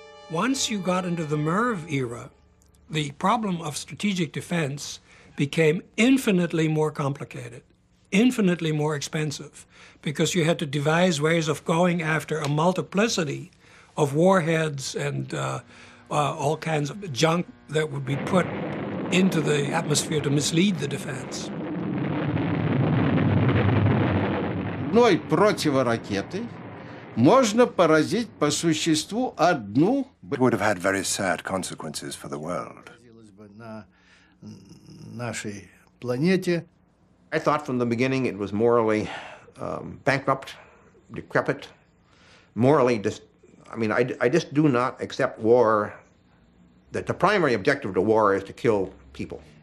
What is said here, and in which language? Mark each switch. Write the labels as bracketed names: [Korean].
[English] Once you got into the MIRV era, the problem of strategic defense became infinitely more complicated, infinitely more expensive, because you had to devise ways of going after a multiplicity of warheads and all kinds of junk that would be put into the atmosphere to mislead the defense. [Russian] Ну и противоракеты можно поразить по существу одну. [English] It would have had very sad consequences for the world. I thought from the beginning it was morally bankrupt, decrepit, morally, I just do not accept war, that the primary objective of the war is to kill people.